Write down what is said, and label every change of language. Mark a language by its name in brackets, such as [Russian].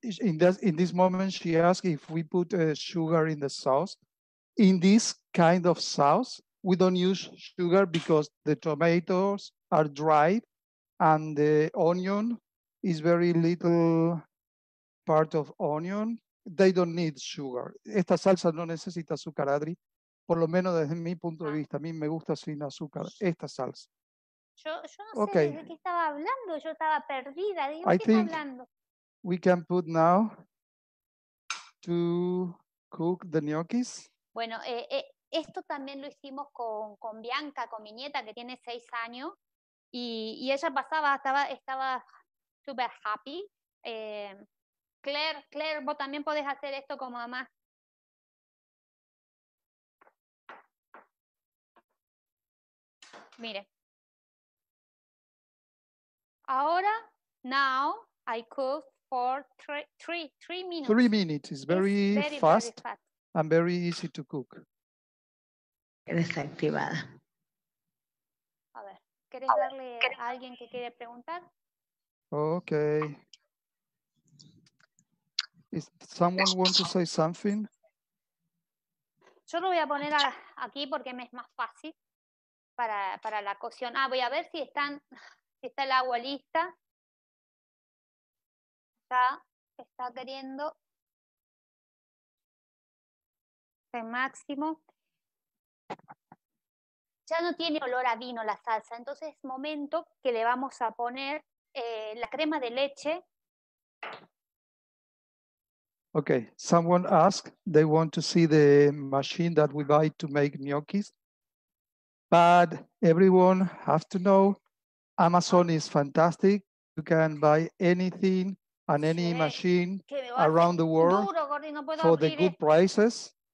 [English] And in this moment, she asked if we put sugar in the sauce. In this kind of sauce, we don't use sugar because the tomatoes are dried and the onion is very little part of onion. They don't need sugar. [Spanish] Esta salsa no necesita azúcar, Adri. Por lo menos desde mi punto de vista. A mí me gusta sin azúcar esta salsa. Yo no sé de qué estaba hablando, yo estaba perdida. ¿De qué está hablando? [English] We can put now to cook the gnocchis. [Spanish] Bueno, esto también lo hicimos con Bianca, con mi nieta que tiene 6 años. Y ella pasaba, estaba super [English] happy. [Spanish] Claire, vos también podés hacer esto con mamá. Mire. [English] Ahora, now, I cook for three minutes. 3 minutes is very, very fast and very easy to cook. [Spanish] Desactivada. A ver, ¿quieres darle a alguien que quiere preguntar? [English] Okay. Is someone want to say something? [Spanish] Yo lo voy a poner aquí porque me es más fácil para la cocción. Ah, voy a ver si está el agua lista. Está queriendo el máximo. Ya no tiene olor a vino la salsa, entonces es momento que le vamos a poner la crema de leche. [English] Okay, someone asked they want to see the machine that we buy to make gnocchis. But everyone has to know Amazon is fantastic. You can buy anything and any machine around the world for the good prices.